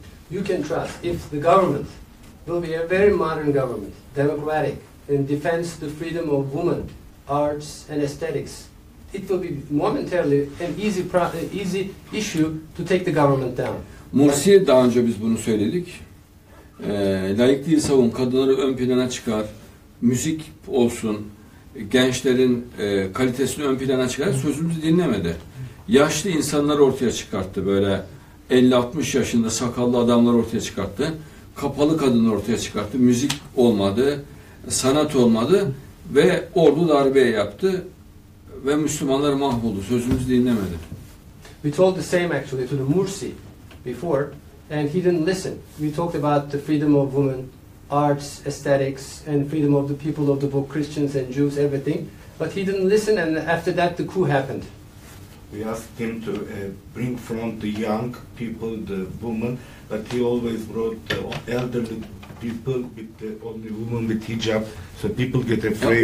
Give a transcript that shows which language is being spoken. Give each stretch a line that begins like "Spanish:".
English: You can trust if the government will be a very modern government, democratic, and defends the freedom of women, arts and aesthetics, it will be momentarily an easy issue to take the government down.
Turkish: Mursi'ye daha önce biz bunu söyledik. Laikliği savun, kadınları ön plana çıkar, müzik olsun, gençlerin kalitesini ön plana çıkardı, sözümüzü dinlemedi. Yaşlı insanlar ortaya çıkarttı, böyle 50-60 yaşında sakallı adamlar ortaya çıkarttı. Kapalı kadın ortaya çıkarttı, müzik olmadı, sanat olmadı ve ordu darbe yaptı ve Müslümanlar mahvoldu, sözümüzü dinlemedi.
English: We told the same actually to the Mursi before and he didn't listen. We talked about the freedom of women, arts, aesthetics, and freedom of the people of the book, Christians and Jews, everything. But he didn't listen, and after that, the coup happened. We asked him to bring front the young people, the women, but he always brought the elderly people, with the only woman with hijab, so people get afraid.